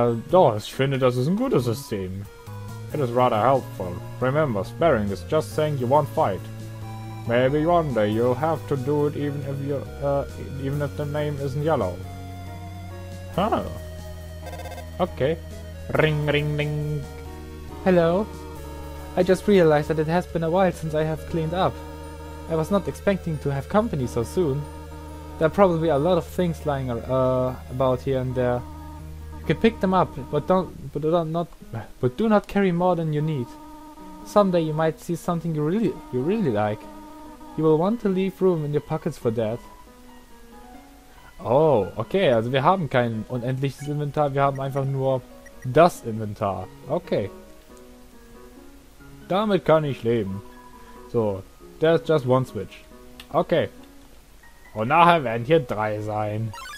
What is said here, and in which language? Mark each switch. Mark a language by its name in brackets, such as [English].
[German] Doch, ich finde, das ist ein gutes System. [English] It is rather helpful. Remember, sparing is just saying you won't fight. Maybe one day you'll have to do it even if you, even if the name isn't yellow. Huh. Okay. Ring, ring, ring. Hello? I just realized that it has been a while since I have cleaned up. I was not expecting to have company so soon. There are probably a lot of things lying about here and there. You can pick them up, but do not carry more than you need. Someday you might see something you really like. You will want to leave room in your pockets for that. [German] Oh, okay, also wir haben kein unendliches Inventar, wir haben einfach nur das Inventar. Okay. Damit kann ich leben. [English] So, there's just one switch. Okay. [German] Und nachher werden hier 3 sein.